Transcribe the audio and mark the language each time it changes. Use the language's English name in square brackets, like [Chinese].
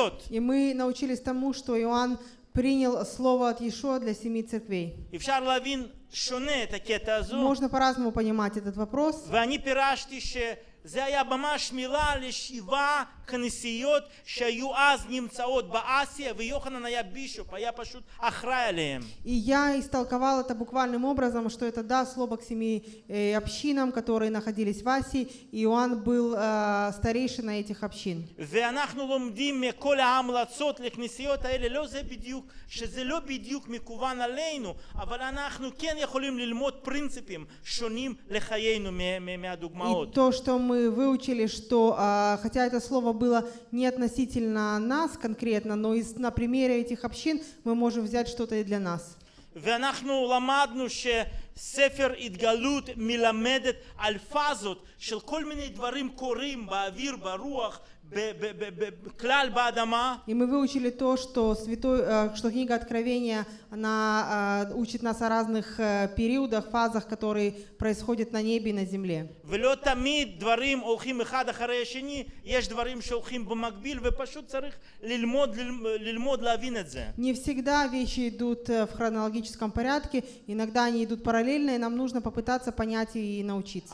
[Russian] И мы научились тому, что Иоанн принял слово от Иешуа для семи церквей. И [Hebrew] в Шарлавин שונה, את הקטע הזו. [Russian] Можно по-разному понимать этот вопрос. [Hebrew] ואני פירשתי שזה היה ממש מילה לשבעה כנסיות שהיו אז נמצאות באסיה, ויוחנן היה בישופ, היה פשוט אחראי עליהם. [Russian] И я истолковал это буквальным образом, что это да, слово к семи общинам, которые находились в Асии, и Иоанн был старейшина этих общин. [Hebrew] ואנחנו לומדים מכל ההמלצות לכנסיות האלה, לא זה בדיוק, שזה לא בדיוק מכוון עלינו, אבל אנחנו כן יכולים ללמוד פרינציפים שונים לחיינו מהדוגמאות. [Russian] И то, что мы выучили, что хотя это слово было не относительно нас конкретно, но из, на примере этих общин мы можем взять что-то и для нас. [Hebrew] ואנחנו למדנו שספר התגלות מלמדת על פאזות של כל מיני דברים קורים באוויר, ברוח, [Russian] И мы выучили то, что, что книга Откровения, она учит нас о разных периодах, фазах, которые происходят на небе и на земле. Не всегда вещи идут в хронологическом порядке, иногда они идут параллельно, и нам нужно попытаться понять и научиться.